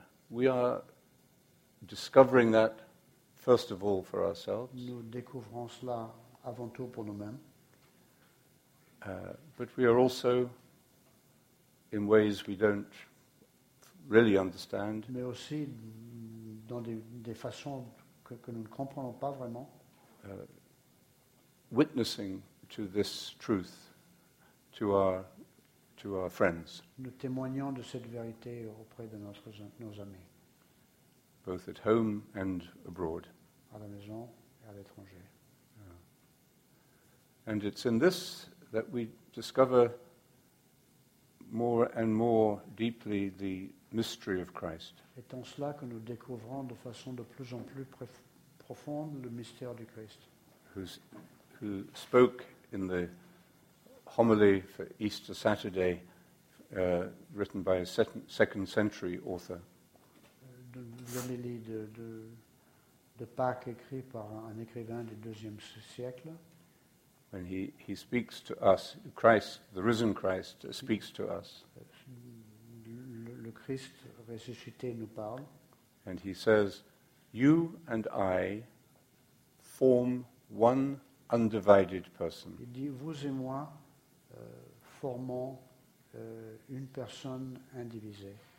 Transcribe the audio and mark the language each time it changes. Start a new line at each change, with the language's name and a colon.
English: we are discovering that first of all for ourselves.
French: Nous découvrons cela avant tout pour nous-mêmes.
English: But we are also, in ways we don't really understand.
French: Mais aussi dans des façons que nous ne comprenons pas vraiment.
English: Witnessing to this truth, to our friends.
French: Nous témoignons de cette vérité auprès de nos amis.
English: Both at home and abroad.
French: À la maison et à l'étranger.
English: Yeah. And it's in this that we discover more and more deeply the mystery of Christ.
French: Et en cela que nous découvrons de façon de plus en plus profonde le mystère du Christ.
English: Who spoke in the homily for Easter Saturday, written by a second century author.
French: L'homélie de Pâques écrit par un écrivain du deuxième siècle.
English: When he speaks to us, Christ, the risen Christ, speaks to us.
French: Le Christ ressuscité nous parle.
English: And he says, "You and I form one undivided person."
French: Il dit, vous et moi formons une personne indivisée.